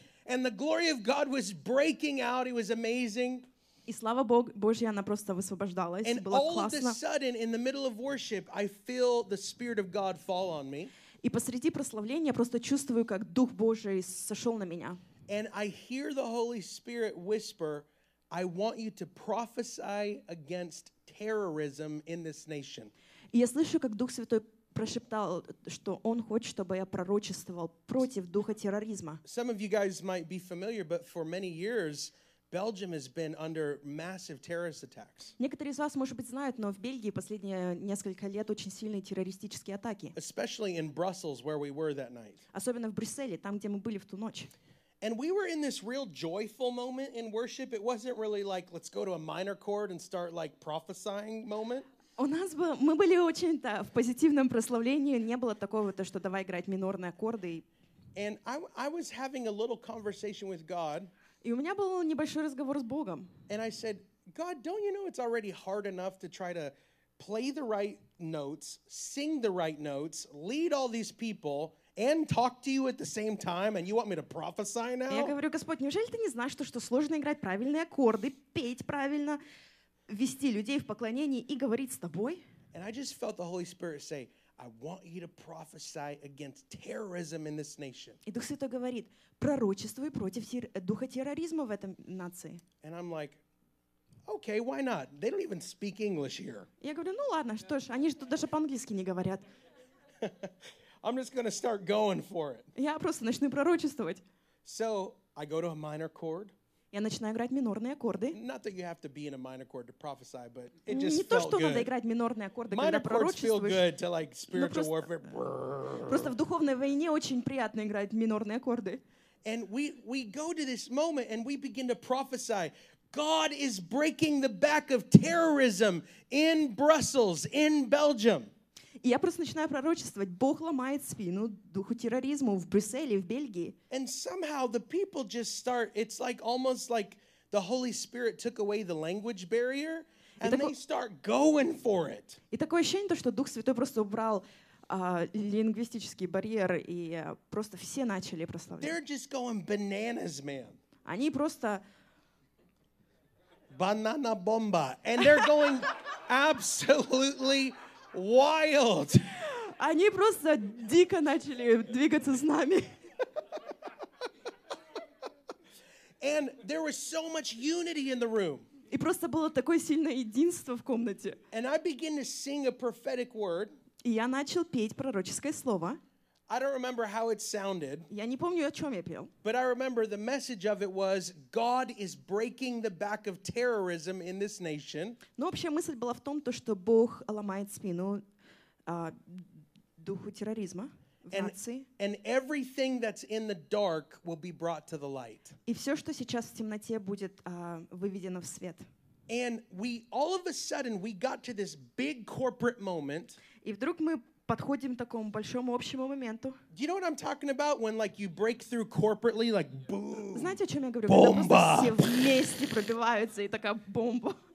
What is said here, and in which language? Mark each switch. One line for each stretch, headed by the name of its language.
English: And the glory of God was breaking out. It was amazing.
Russian: И слава Божья, она просто высвобождалась.
English: And all of a sudden, in the middle of worship, I feel the Spirit of God fall on me.
Russian: И посреди прославления просто чувствую, как Дух Божий сошел на меня.
English: And I hear the Holy Spirit whisper, I want you to prophesy against terrorism in this nation.
Russian: И я слышу, как Дух Святой прошептал, что он хочет, чтобы я пророчествовал против духа терроризма.
English: Some of you guys might be familiar, but for many years, Belgium has been under massive terrorist attacks.
Russian: Некоторые из вас, может быть, знают, но в Бельгии последние несколько лет очень сильные террористические атаки.
English: Especially in Brussels, where we were that night.
Russian: Особенно в Брюсселе, там, где мы были в ту ночь.
English: And we were in this real joyful moment in worship. It wasn't really like, let's go to a minor chord and start like prophesying moment.
Russian: У нас бы мы были очень-то в позитивном прославлении, не было такого, то что давай играть минорные аккорды.
English: And I was having a little conversation with God.
Russian: И у меня был небольшой разговор с Богом.
English: And I said, God, don't you know it's already hard enough to try to play the right notes, sing the right notes, lead all these people and talk to you at the same time, and you want me to prophesy now?
Russian: Я говорю, Господь, неужели ты не знаешь, что сложно играть правильные аккорды, петь правильно, вести людей в поклонении и говорить с тобой?
English: And I just felt the Holy Spirit say, I want you to prophesy against terrorism in this nation.
Russian: И Дух Святой говорит, пророчествуй против духа терроризма в этом нации.
English: And I'm like, okay, why not? They don't even speak English here.
Russian: Я говорю, ну ладно, что ж, они же тут даже по-английски не говорят.
English: I'm just going to start going for it.
Russian: Я просто начну пророчествовать.
English: So, I go to a minor chord.
Russian: Я начинаю играть минорные аккорды.
English: Not that you have to be in a minor chord to prophesy, but it just felt good.
Russian: Не то, что надо играть минорные аккорды, когда пророчествуешь.
English: Minor chords feel good to like spiritual warfare.
Russian: Просто в духовной войне очень приятно играть минорные аккорды.
English: And we go to this moment and we begin to prophesy. God is breaking the back of terrorism in Brussels, in Belgium.
Russian: Я просто начинаю пророчествовать. Бог ломает спину духу терроризма в Брюсселе, в Бельгии.
English: And somehow the people just start, it's like almost like the Holy Spirit took away the language barrier and they start going for it.
Russian: И такое ощущение, что Дух Святой просто убрал лингвистический барьер и просто все начали прославлять.
English: They're just going bananas, man.
Russian: Они просто
English: banana bomba. And they're going absolutely wild.
Russian: Они просто дико начали двигаться с нами.
English: And there was so much unity in the room.
Russian: И просто было такое сильное единство в комнате.
English: And I begin to sing a prophetic word.
Russian: И я начал петь пророческое слово.
English: I don't remember how it sounded.
Russian: Я не помню, о чём я пел.
English: But I remember the message of it was God is breaking the back of terrorism in this nation.
Russian: Но общая мысль была в том, то что Бог ломает спину духу терроризма в нации.
English: And everything that's in the dark will be brought to the light.
Russian: И всё, что сейчас в темноте, будет выведено в свет.
English: And we all of a sudden we got to this big corporate moment.
Russian: И вдруг мы подходим к такому большому общему моменту.
English: Do you know what I'm talking about when like you break through corporately like boom?
Russian: Знаете, о чём я говорю? Когда все вместе пробиваются и такая бомба.